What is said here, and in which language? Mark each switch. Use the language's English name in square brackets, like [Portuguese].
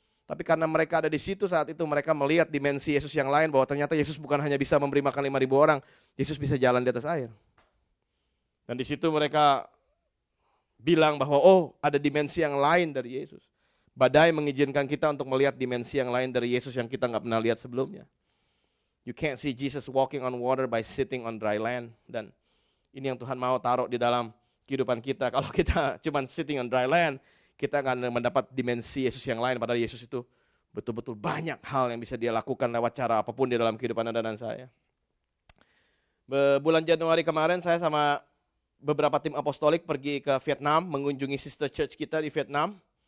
[Indonesian] Tapi karena mereka ada di situ saat itu, mereka melihat dimensi Yesus yang lain, bahwa ternyata Yesus bukan hanya bisa memberi makan 5.000 orang, Yesus bisa jalan di atas air. Dan di situ mereka bilang bahwa, oh, ada dimensi yang lain dari Yesus. Badai mengizinkan kita untuk melihat dimensi yang lain dari Yesus yang kita gak pernah lihat sebelumnya. [English] You can't see Jesus walking on water by sitting on dry land. [Indonesian] Dan ini yang Tuhan mau taruh di dalam kehidupan kita. Kalau kita cuma [English] sitting on dry land, [Indonesian] kita gak mendapat dimensi Yesus yang lain. Padahal Yesus itu betul-betul banyak hal yang bisa dia lakukan lewat cara apapun di dalam kehidupan Anda dan saya. Bulan Januari kemarin saya sama beberapa tim apostolik pergi ke Vietnam, mengunjungi sister church kita di Vietnam.